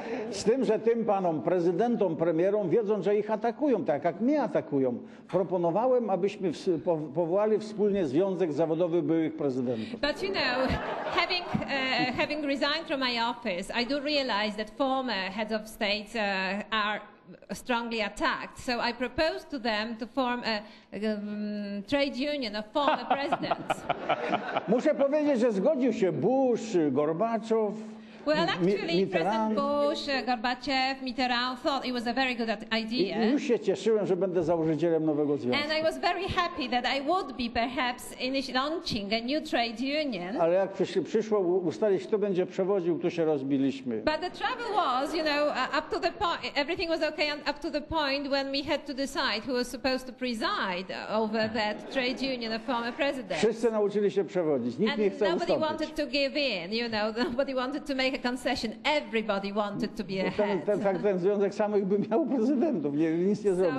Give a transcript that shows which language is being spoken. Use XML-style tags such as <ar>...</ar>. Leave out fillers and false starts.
<pl>Z tym, że tym panom, prezydentom, premierom, wiedzą, że ich atakują, tak jak mnie atakują, proponowałem, abyśmy powołali wspólnie związek zawodowy byłych prezydentów.</pl> <en>But you know, having resigned from my office, I do realize that former heads of state are strongly attacked, so I proposed to them to form a trade union of former presidents.</en> <pl>Muszę powiedzieć, że zgodził się Bush, Gorbaczow, Mitterrand.</pl> <en>Bush, Gorbachev, Mitterrand thought it was a very good idea.</en> <pl>I już się cieszyłem, że będę założycielem nowego związku.</pl> <en>And I was very happy that I would be perhaps launching a new trade union.</en> <pl>Ale jak przyszło ustalić, kto będzie przewodził, to się rozbiliśmy.</pl> <en>But the trouble was, you know, up to the point, everything was okay, and up to the point when we had to decide who was supposed to preside over that trade union of former presidents.</en> <pl>Wszyscy nauczyli się przewodzić, nikt nie chce ustąpić.</pl> <en>Nobody wanted to give in, you know, nobody wanted to make a concession. Everybody wanted to be a head.</en> <pl>Ten związek samych by miał prezydentów, nic nie zrobił.</pl>